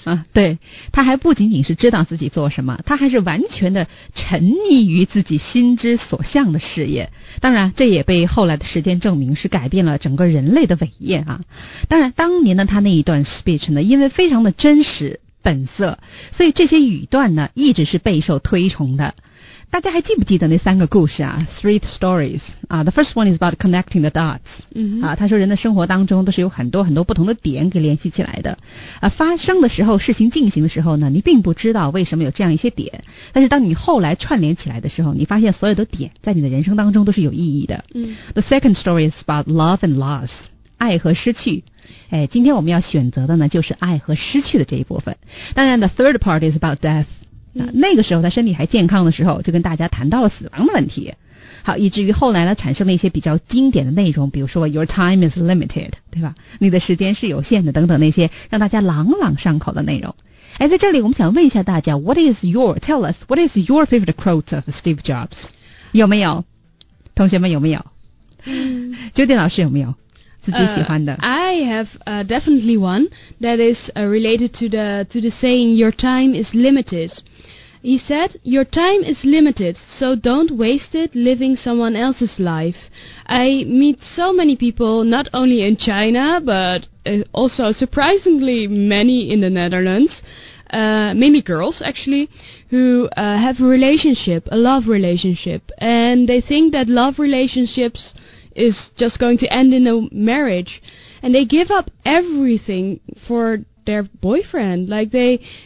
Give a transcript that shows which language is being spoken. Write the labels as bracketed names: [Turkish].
[Chinese] 啊，对，他还不仅仅是知道自己做什么，他还是完全的沉溺于自己心之所向的事业。当然这也被后来的时间证明是改变了整个人类的伟业啊。当然当年的他那一段 speech 呢，因为非常的真实本色，所以这些语段呢一直是备受推崇的。大家还记不记得那三个故事啊 ？ [English] Three stories. The first one is about connecting the dots. [Chinese] 啊，他说人的生活当中都是有很多很多不同的点给联系起来的。啊，发生的时候，事情进行的时候呢，你并不知道为什么有这样一些点，但是当你后来串联起来的时候，你发现所有的点在你的人生当中都是有意义的。 [English] The second story is about love and loss. [Chinese] 爱和失去。哎，今天我们要选择的呢，就是爱和失去的这一部分。 [English] 当然 ，the third part is about death. [Chinese] 那个时候他身体还健康的时候就跟大家谈到了死亡的问题，好，以至于后来呢产生了一些比较经典的内容，比如说 [English] Your time is limited, [Chinese] 对吧，你的时间是有限的等等，那些让大家朗朗上口的内容。哎，在这里我们想问一下大家， [English] Tell us, what is your favorite quote of Steve Jobs? [Chinese] 有没有同学们，有没有Judy 老师，有没有自己喜欢的？ [English] I have definitely one that is related to the saying Your time is limitedHe said, your time is limited, so don't waste it living someone else's life. I meet so many people, not only in China, but also surprisingly many in the Netherlands, mainly girls actually, who have a relationship, a love relationship, and they think that love relationships is just going to end in a marriage, and they give up everything for their boyfriend, like they